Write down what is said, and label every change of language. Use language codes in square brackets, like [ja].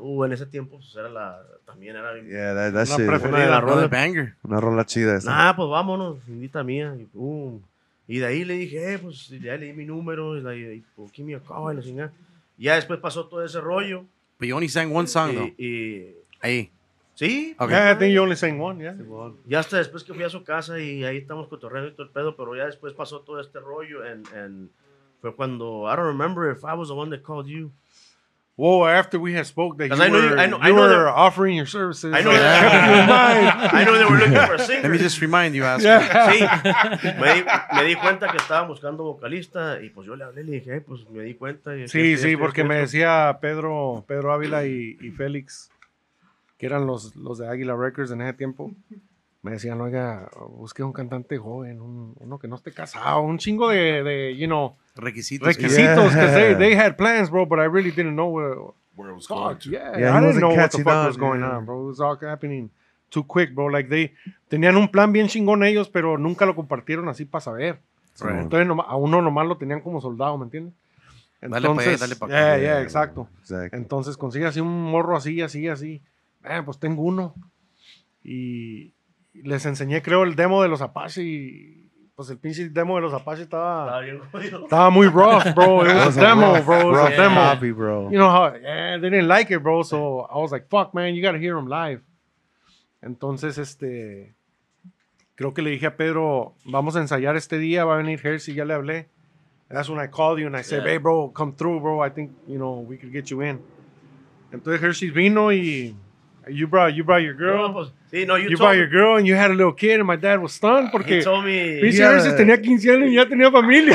[es] En ese tiempo, pues era la, también era. [en] Yeah, that shit. [es] Una preferida, la rola. [en] Banger. [es] Una rola chida esa. Nah, pues vámonos, indita mía. Y boom. Y de ahí le dije, pues ya le di mi número. Y de ahí, pues, ¿qué me acabo? Y la chingada. Ya después pasó todo ese rollo. [en] But you only sang one song, though. [es] Y ahí. Sí. [en] Okay. Yeah, I think you only sang one, yeah. [es] Ya hasta después que fui a su casa y ahí estamos cotorreando y todo el pedo, pero ya después pasó todo este rollo and fue cuando, [en] I don't remember if I was the one that called you. Whoa, after we had spoke that you were offering your services. I know that. Yeah. I know they were looking for a singer. Let me just remind you, Aspen. Yeah. [es] Sí. Me di cuenta que estaban buscando vocalista y pues yo le hablé y le dije, pues me di cuenta. Y, sí, sí, porque me decía Pedro Ávila y Félix, que eran los de Águila Records en ese tiempo. Me decían, oiga, busqué un cantante joven, uno que no esté casado, un chingo de [en] you know, [es] requisitos, [en] because yeah. they had plans, bro, but I really didn't know where it was going to. Yeah, I didn't know what the fuck was going on, bro. It was all happening too quick, bro. Like, they [es] tenían un plan bien chingón ellos, pero nunca lo compartieron así para saber. [en] Right. [es] Entonces, a uno nomás lo tenían como soldado, ¿me entiendes? Entonces, dale para allá, dale para acá. [en] Yeah, yeah, [es] exacto. Exactly. Entonces, consigue así un morro así. Pues tengo uno. Y les enseñé, creo, el demo de los Apache y pues el pinche demo de los Apache estaba muy rough, bro. [en] It was a demo. Happy, bro. You know how, they didn't like it, bro. So I was like, fuck, man, you gotta hear them live. [es] Entonces, creo que le dije a Pedro, vamos a ensayar este día, va a venir Hersey, ya le hablé. [en] And that's when I called you and I said, hey, bro, come through, bro. I think, you know, we could get you in. [es] Entonces Hersey vino y [en] you brought your girl. [es] Sí, no, you [en] brought your girl and you had a little kid and my dad was stunned porque he told me [es] Pisa Hersey tenía 15 años y ya tenía familia.